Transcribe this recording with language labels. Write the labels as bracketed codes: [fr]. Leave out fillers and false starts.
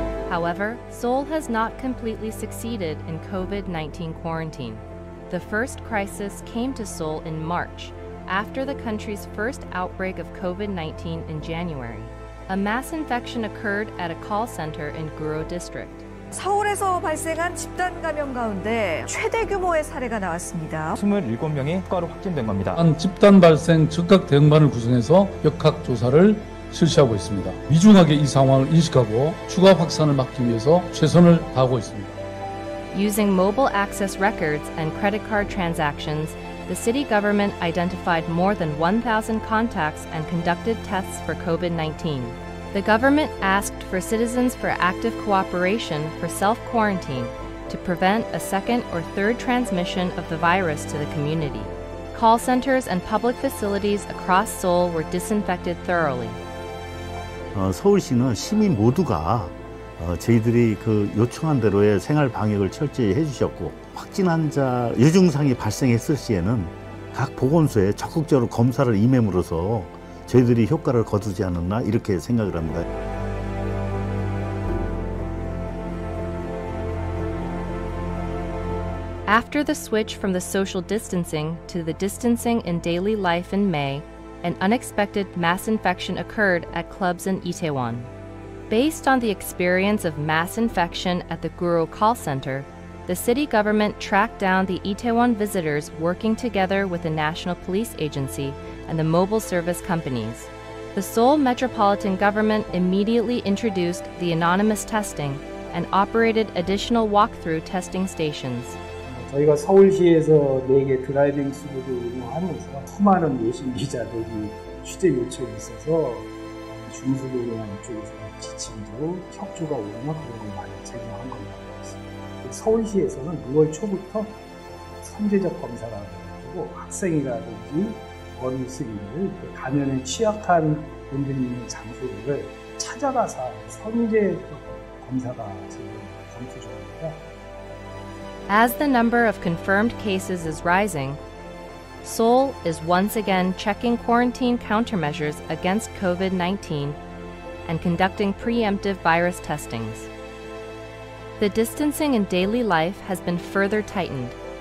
[en] However, Seoul has not completely succeeded in COVID-19 quarantine. The first crisis came to Seoul in March, after the country's first outbreak of COVID-19 in January. A mass infection occurred at a call center in Guro District. [ko] 서울에서 발생한 집단 감염 가운데 최대 규모의 사례가 나왔습니다. 27명이 추가로 확진된 겁니다. 집단 발생 즉각 대응반을 구성해서 역학 조사를 실시하고 있습니다. 위중하게 이 상황을 인식하고 추가 확산을 막기 위해서 최선을 다하고 있습니다. [en] Using mobile access records and credit card transactions, the city government identified more than 1,000 contacts and conducted tests for COVID-19. The government asked for citizens for active cooperation for self-quarantine to prevent a second or third transmission of the virus to the community. Call centers and public facilities across Seoul were disinfected thoroughly. [ko] 서울시는 시민 모두가 저희들이 그 요청한 대로의 생활 방역을 철저히 해주셨고 확진 환자 유증상이 발생했을 시에는 각 보건소에 적극적으로 검사를 임함으로써 저희들이 효과를 거두지 않았나 이렇게 생각을 합니다. [en] After the switch from the social distancing to the distancing in daily life in May, an unexpected mass infection occurred at clubs in Itaewon. Based on the experience of mass infection at the Guro call center, the city government tracked down the Itaewon visitors working together with the National Police Agency and the mobile service companies. The Seoul Metropolitan Government immediately introduced the anonymous testing and operated additional walkthrough testing stations. [ko] 저희가 서울시에서 4개 드라이빙 스루를 운영하면서 수많은 예심기자들이 취재 요청이 있어서 중수교육원 쪽에서 지침으로 협조가 오면 그런 걸 많이 제공한 겁니다. 서울시에서는 6월 초부터 선제적 검사라든지 학생이라든지 어르신들 감염에 취약한 분들이 있는 장소를 찾아가서 선제적 검사가 지금 검토 중입니다. [en] As the number of confirmed cases is rising, Seoul is once again checking quarantine countermeasures against COVID-19 and conducting preemptive virus testings. The distancing in daily life has been further tightened,